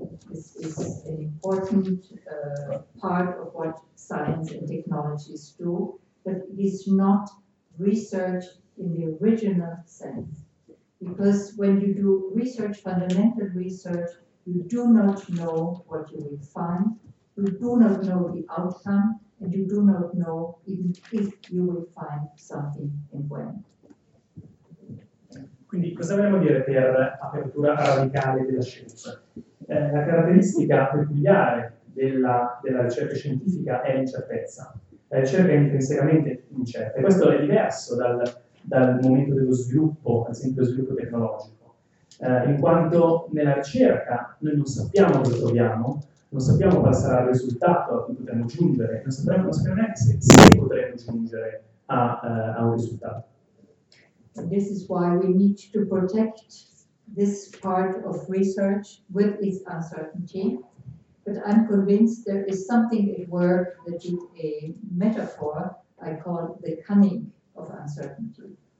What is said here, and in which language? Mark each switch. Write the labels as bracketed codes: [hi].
[en] This is an important part of what science and technologies do, but it is not research in the original sense. Because when you do research, fundamental research, you do not know what you will find, you do not know the outcome, and you do not know even if you will find something and when. [it] Quindi cosa vogliamo dire per apertura radicale della scienza? La caratteristica peculiare della ricerca scientifica è l'incertezza. La ricerca è intrinsecamente incerta, e questo è diverso dal momento dello sviluppo, ad esempio dello sviluppo tecnologico, in quanto nella ricerca noi non sappiamo cosa troviamo, non sappiamo qual sarà il risultato a cui potremo giungere, non sappiamo neanche se potremo giungere a un risultato. [en] This is why we need to protect this part of research with its uncertainty, but I'm convinced there is something at work that is a metaphor I call the cunning of uncertainty.